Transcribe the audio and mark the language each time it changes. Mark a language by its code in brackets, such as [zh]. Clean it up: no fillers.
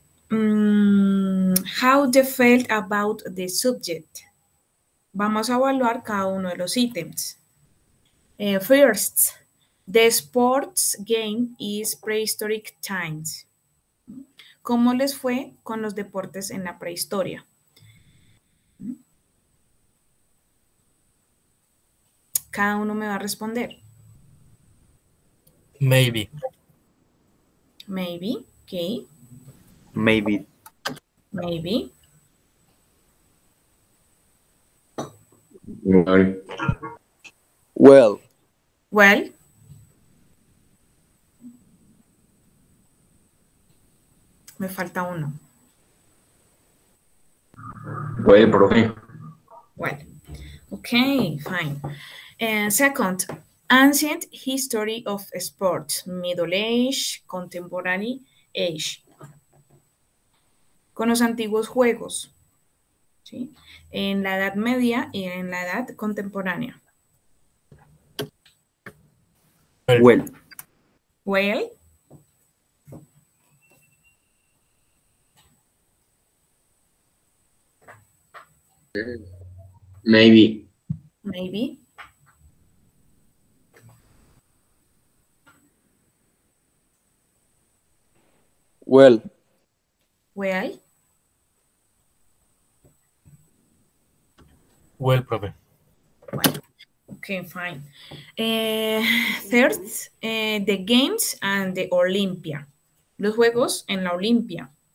[en] How they felt about the subject. [es] Vamos a evaluar cada uno de los ítems. [en] First, the sports game is prehistoric times. [es] ¿Cómo les fue con los deportes en la prehistoria? Cada uno me va a responder. [en] Maybe. Maybe, ok. Maybe. Maybe. Well. Well. [es] Me falta uno. Puede, profe. [en] Well. Okay, fine. Second, ancient history of sports, middle age, contemporary age. [es] Con los antiguos juegos, ¿sí? En la Edad Media y en la Edad Contemporánea. [en] Well. Well. Maybe. Maybe. Well. Well. Well, profe. Okay, fine. Third, the Games and the Olympia. [es] Los Juegos en la Olimpia.